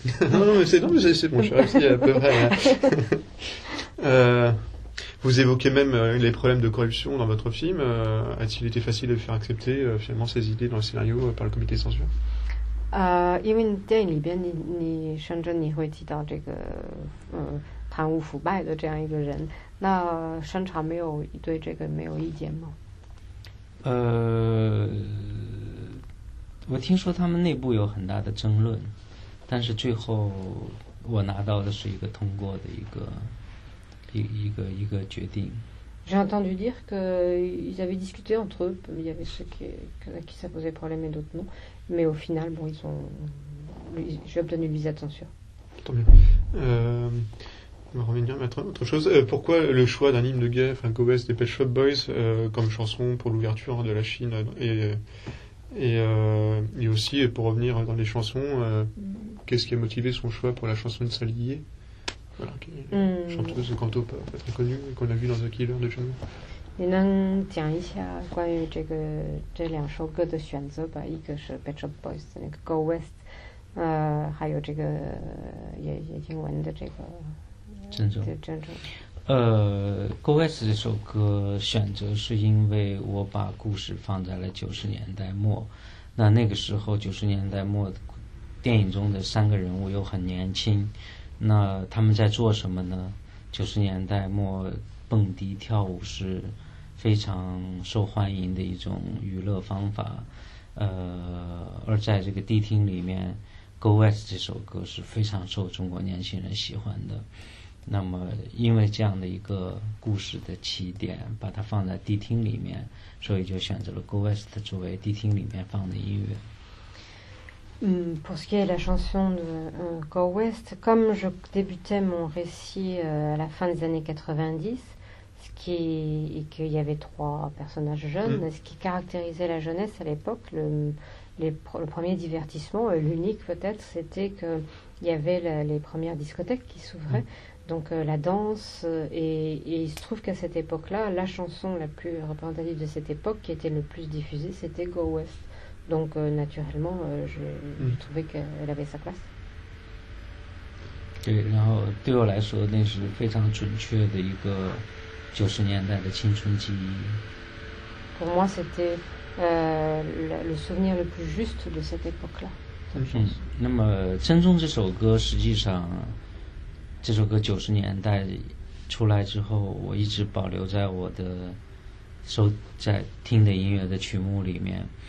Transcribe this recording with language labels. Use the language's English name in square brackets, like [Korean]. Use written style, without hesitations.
[French] Non mais c'est bon, je suis resté à peu près. Vous évoquez même les problèmes de corruption dans votre film. A-t-il été facile de faire accepter finalement ces idées dans le scénario par le comité de censure ? [Chinese] 因为电影里边你甚至你会提到这个贪污腐败的这样一个人，那审查没有对这个没有意见吗？我听说他们内部有很大的争论，但是最后我拿到的是一个通过的一个决定。 [French] J'ai entendu dire qu'ils avaient discuté entre eux, il y avait ceux qui ça posait problème et d'autres non, mais au final, bon, j'ai obtenu le visa de censure. Tant mieux. On va revenir à autre chose. Pourquoi le choix d'un hymne de guerre, enfin, Go West, des Pet Shop Boys, comme chanson pour l'ouverture de la Chine, et aussi, pour revenir dans les chansons, qu'est-ce qui a motivé son choix pour la chanson de Sally Yeh ? Chanteuse canto pas très connue qu'on a vu dans The Killer de Chanel. [Chinese] 你能讲一下关于这两首歌的选择吧？一个是 Pet Shop Boys 的那个 Go West， 还有这个也英文的这个郑重。 Go West 这首歌选择是因为我把故事放在了90年代末，那个时候90年代末电影中的三个人物又很年轻。那他们在做什么呢？90年代末蹦迪跳舞是非常受欢迎的一种娱乐方法，而在这个迪厅里面 Go West 这首歌是非常受中国年轻人喜欢的，那么因为这样的一个故事的起点把它放在谛听里面，所以就选择了 Go West 作为谛听里面放的音乐。 [French] Pour ce qui est de la chanson de Go West, comme je débutais mon récit à la fin des années 90, ce qui est, et qu'il y avait trois personnages jeunes, ce qui caractérisait la jeunesse à l'époque, le premier divertissement, l'unique peut-être, c'était qu'il y avait les premières discothèques qui s'ouvraient, donc la danse, et il se trouve qu'à cette époque-là, la chanson la plus représentative de cette époque, qui était le plus diffusée, c'était Go West. Donc naturellement, je trouvais qu'elle avait sa place. [Chinese] 对，然后对我来说，那是非常准确的一个90年代的青春记忆。 [French] Pour moi, c'était le souvenir le plus juste de cette époque-là. [Chinese] 那么《珍重》这首歌，实际上这首歌90年代出来之后，我一直保留在我的在听的音乐的曲目里面。